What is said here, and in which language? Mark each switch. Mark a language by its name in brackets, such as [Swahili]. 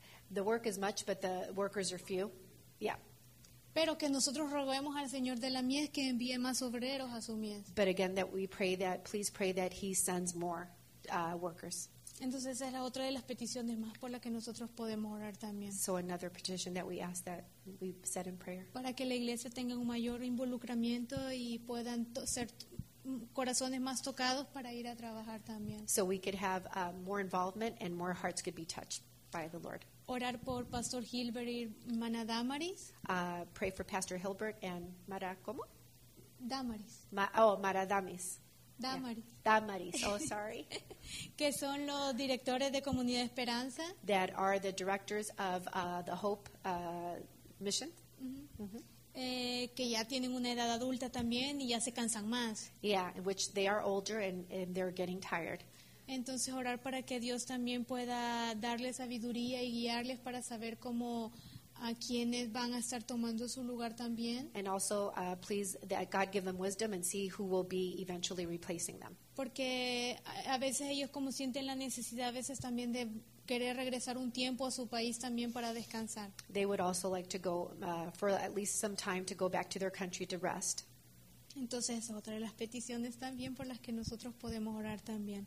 [English] The work is much, but the workers are few. Yeah. [Spanish] Pero que nosotros roguemos al Señor de la mies que envíe más obreros a su mies. [English] But again, that we pray that, please pray that he sends more workers. [Spanish] Entonces esa es otra de las peticiones más por la que nosotros podemos orar también. [English] So another petition that we ask that we set in prayer. [Spanish] Para que la iglesia tenga un mayor involucramiento y puedan ser corazones más tocados para ir a trabajar también. [English] So we could have more involvement and more hearts could be touched by the Lord. [Spanish] Orar por Pastor Hilbert y Mana Damaris. [English] Pray for Pastor Hilbert and Mara, [Spanish] ¿cómo? [English] Damaris. Mara Damis. Damaris. Yeah. Damaris, oh, sorry. [Spanish] Que son los directores de Comunidad Esperanza. [English] That are the directors of the Hope Mission. Mm-hmm. [Spanish] Que ya tienen una edad adulta también y ya se cansan más. [English] Yeah, which they are older and they're getting tired. [Spanish] Entonces orar para que Dios también pueda darles sabiduría y guiarles para saber cómo a quienes van a estar tomando su lugar también. [English] And also please that God give them wisdom and see who will be eventually replacing them. [Spanish] Porque a veces ellos como sienten la necesidad a veces también de querer regresar un tiempo a su país también para descansar. [English] They would also like to go for at least some time to go back to their country to rest. [Spanish] Entonces, esa es otra de las peticiones también por las que nosotros podemos orar también.